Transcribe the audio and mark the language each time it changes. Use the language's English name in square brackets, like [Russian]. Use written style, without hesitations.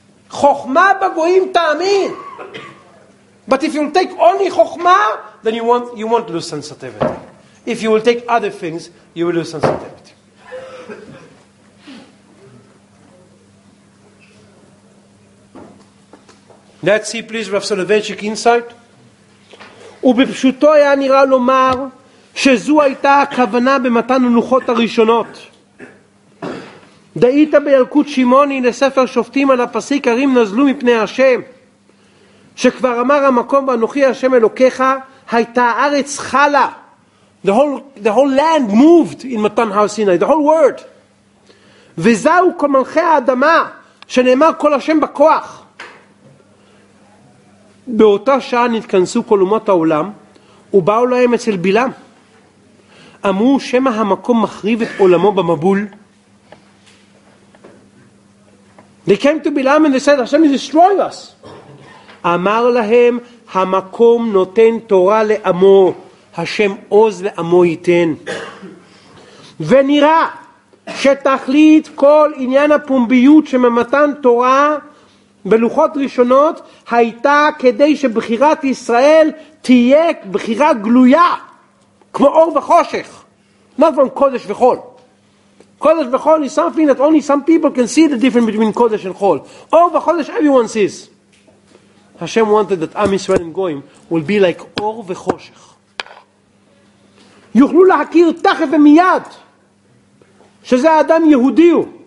[Hebrew] Chochmah B'goyim Ta'amin! [English] But if you will take only Chochmah, then you won't lose sensitivity. If you will take other things, you will lose sensitivity. Let's see, please, Rav Soloveitchik insight. [Hebrew] ובפשוטו היה נראה לומר שזו הייתה הכוונה במתן הלוחות הראשונות. דעית בילקוט שמעוני לספר שופטים על הפסיק הרים נזלו מפני השם, שכבר אמר המקום ואנוכי השם אלוקיך, הייתה הארץ חלה. [English] The whole land moved in מתן הר סיני, the whole world. [Hebrew] וזהו כמלכי האדמה שנאמר כל השם בכוח. באותה שעה נתכנסו כל אומות העולם ובאו להם אצל בלעם. אמרו שמא המקום מחריב את עולמו במבול. [English] They came to בלעם and they said, Hashem is destroying us. [Hebrew] אמר להם, המקום נותן תורה לעמו, השם עוז לעמו ייתן. ונראה שתכלית כל עניין הפומביות שממתן תורה בלוחות ראשונות הייתה כדי שבחירת ישראל תהיה בחירה גלויה כמו אור וחושך. [English] Not from קודש וחול. קודש וחול is something that only some people can see the difference between קודש and חול. אור וחושך everyone sees. Hashem wanted that Am Yisrael and Goyim will be like אור וחושך. [Hebrew] יוכלו להכיר תכף ומיד שזה האדם יהודי הוא.